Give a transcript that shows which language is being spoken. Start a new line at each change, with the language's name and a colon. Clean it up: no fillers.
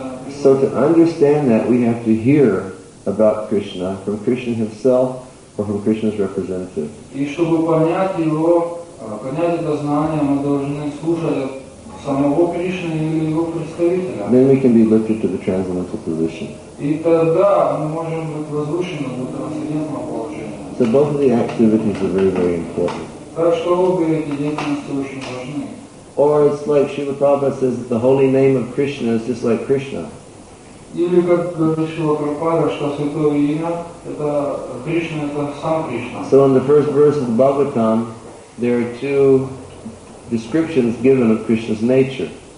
English: So to understand that, we have to hear about Krishna, from Krishna himself, or from Krishna's representative.
Russian: И чтобы понять его, понять это знание, мы должны слушать самого Кришны или его представителя.
English: Then we can be lifted to the transcendental position.
Russian: И тогда мы можем быть возвышены до трансцендентного положения.
English: So both of the activities are very, very important.
Russian: Так что обе эти деятельности очень важны.
English: Or it's like Srila Prabhupada says that the holy name of Krishna is just like Krishna.
Russian: Или как говорит Шрила Прабхупада, что святое имя это Кришна, это сам Кришна.
English: So in the first verse of the Bhagavatam, there are two descriptions given of Krishna's nature.